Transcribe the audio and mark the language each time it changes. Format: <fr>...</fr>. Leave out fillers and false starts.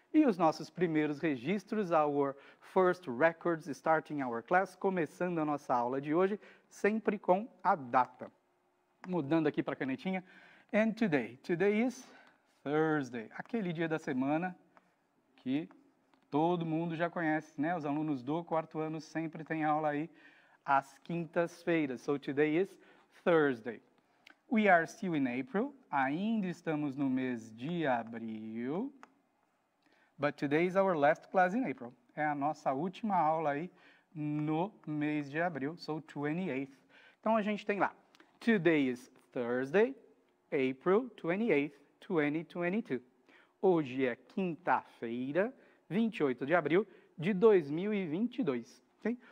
<pt>E os nossos primeiros registros,</pt> <en>our first records starting our class,</en> <pt>começando a nossa aula de hoje, sempre com a data. Mudando aqui para a canetinha.</pt> <en>And today, today is Thursday,</en> <pt>aquele dia da semana que todo mundo já conhece, né? Os alunos do quarto ano sempre têm aula aí às quintas-feiras.</pt> <en>So today is Thursday. We are still in April,</en> <pt>ainda estamos no mês de abril,</pt> <en>but today is our last class in April.</en> <pt>É a nossa última aula aí no mês de abril, so 28th. Então a gente tem lá,</pt> <en>today is Thursday, April 28th, 2022.</en> <pt>Hoje é quinta-feira, 28 de abril de 2022. Okay?</pt>